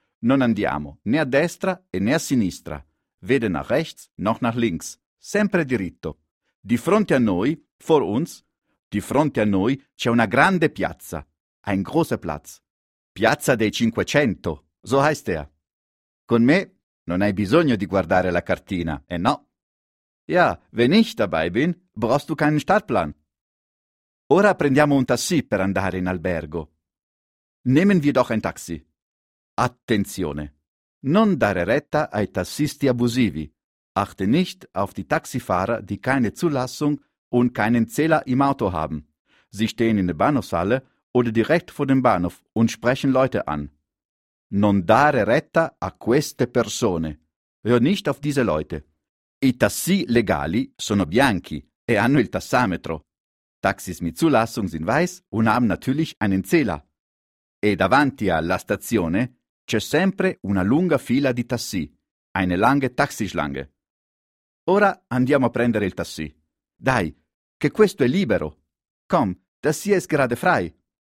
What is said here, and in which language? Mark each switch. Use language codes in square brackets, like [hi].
[it] Non andiamo né a destra e né a sinistra, [de] weder nach rechts noch nach links, [it] sempre dritto. Di fronte a noi, [de] vor uns, [it] di fronte a noi c'è una grande piazza, [de] ein großer Platz, [it] Piazza dei 500, [de] so heißt er. [it] Con me non hai bisogno di guardare la cartina, eh no? [de] Ja, wenn ich dabei bin, brauchst du keinen Startplan. [it] Ora prendiamo un taxi per andare in albergo. [de] Nehmen wir doch ein Taxi. [it] Attenzione! Non dare retta ai tassisti abusivi. [de] Achte nicht auf die Taxifahrer, die keine Zulassung und keinen Zähler im Auto haben. Sie stehen in der Bahnhofshalle oder direkt vor dem Bahnhof und sprechen Leute an. [it] Non dare retta a queste persone. [de] Hör nicht auf diese Leute. [it] I tassi legali sono bianchi e hanno il tassametro. [de] Taxis mit Zulassung sind weiß und haben natürlich einen Zähler. [it] E davanti alla stazione c'è sempre una lunga fila di tassi, [de] eine lange Taxischlange. [it] Ora andiamo a prendere il tassi. Dai, che questo è libero. [de] Komm, das hier ist gerade frei.